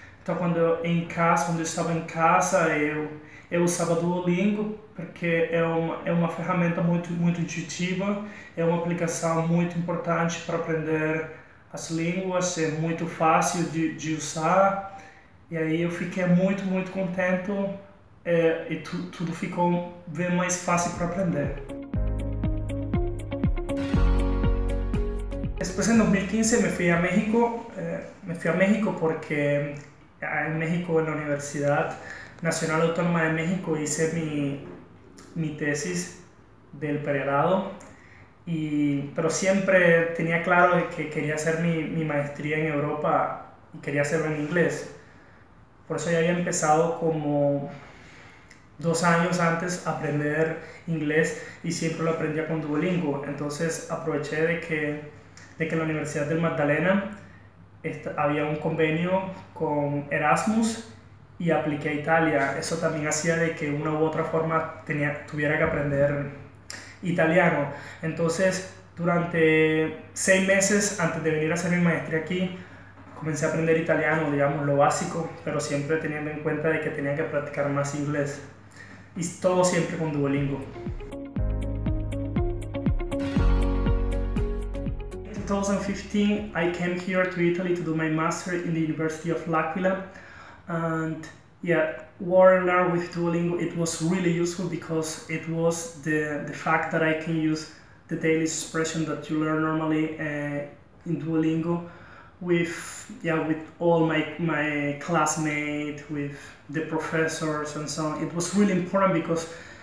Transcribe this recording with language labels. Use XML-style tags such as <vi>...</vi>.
<pt>Então quando eu estava em casa, eu usava Duolingo porque é uma ferramenta muito muito intuitiva, é uma aplicação muito importante para aprender as línguas, é muito fácil de usar. E aí eu fiquei muito muito contente, e tudo ficou bem mais fácil para aprender.</pt> <es>Después en 2015 me fui a México porque en México, en la Universidad Nacional Autónoma de México, hice mi tesis del pregrado, pero siempre tenía claro que quería hacer mi maestría en Europa y quería hacerlo en inglés. Por eso ya había empezado como 2 años antes a aprender inglés y siempre lo aprendía con Duolingo. Entonces aproveché de que en la Universidad del Magdalena había un convenio con Erasmus y apliqué a Italia. Eso también hacía de que una u otra forma tuviera que aprender italiano. Entonces, durante 6 meses antes de venir a hacer mi maestría aquí, comencé a aprender italiano, digamos, lo básico, pero siempre teniendo en cuenta de que tenía que practicar más inglés. Y todo siempre con Duolingo.</es> <en>In 2015, I came here to Italy to do my master in the University of L'Aquila, and yeah, learning with Duolingo, it was really useful because it was the fact that I can use the daily expression that you learn normally in Duolingo with all my classmates, with the professors and so on. It was really important because</en>